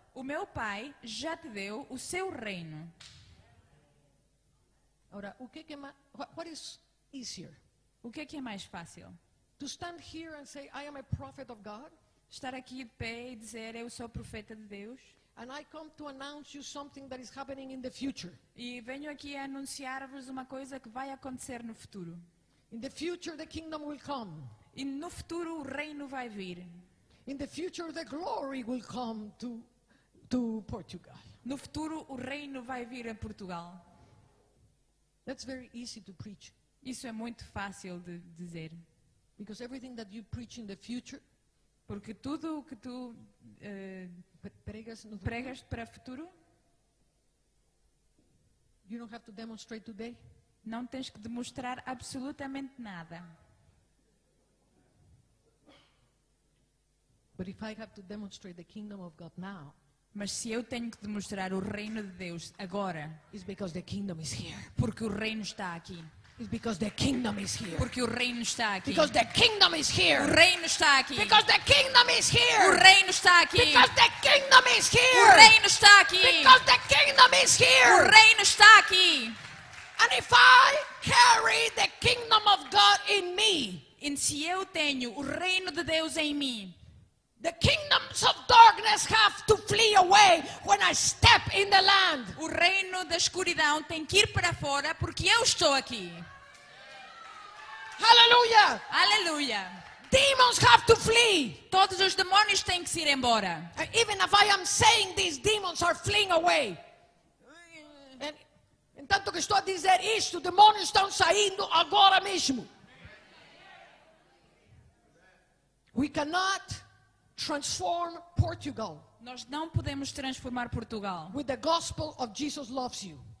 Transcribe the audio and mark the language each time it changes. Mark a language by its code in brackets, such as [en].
[pt] O meu pai já te deu o seu reino. Ora, o que é que é mais, [en] what is easier? [pt] O que é mais fácil? [en] To stand here and say I am a prophet of God? [pt] Estar aqui de pé e dizer eu sou profeta de Deus? [en] And I come to announce you something that is happening in the future. [pt] E venho aqui a anunciar-vos uma coisa que vai acontecer no futuro. [en] In the future the kingdom will come. [pt] E no futuro o reino vai vir. [en] In the future the glory will come to Portugal. [pt] No futuro o reino vai vir a Portugal. [en] That's very easy to preach. [pt] Isso é muito fácil de dizer. [en] Because everything that you preach in the future, [pt] porque tudo o que tu pregas para o futuro, [en] you don't have to demonstrate today. [pt] Não tens que demonstrar absolutamente nada. [en] But if I have to demonstrate the kingdom of God now, [pt] mas se eu tenho que demonstrar o reino de Deus agora, [en] is because the kingdom is here. [pt] Porque o reino está aqui. [en] It's because the kingdom is here. [pt] Porque o reino está aqui. [en] Because the kingdom is here. [pt] O reino está aqui. [en] Because the kingdom is here. [pt] O reino está aqui. [en] Because the kingdom is here. [pt] O reino está aqui. [en] Because the kingdom is here. [pt] O reino está aqui. [en] And if I carry the kingdom of God in me, [pt] e se eu tenho o reino de Deus em mim, [en] the kingdoms of darkness have to flee away when I step in the land. [pt] O reino da escuridão tem que ir para fora porque eu estou aqui. [en] Hallelujah! [pt] Hallelujah! [en] Demons have to flee. [pt] Todos os demônios têm que ir embora. [en] Even if I am saying these demons are fleeing away. [pt] Entanto que estou a dizer isto, demônios estão saindo agora mesmo. [en] We cannot transform Portugal. [pt] Nós não podemos transformar Portugal. [en] With the gospel of Jesus loves you.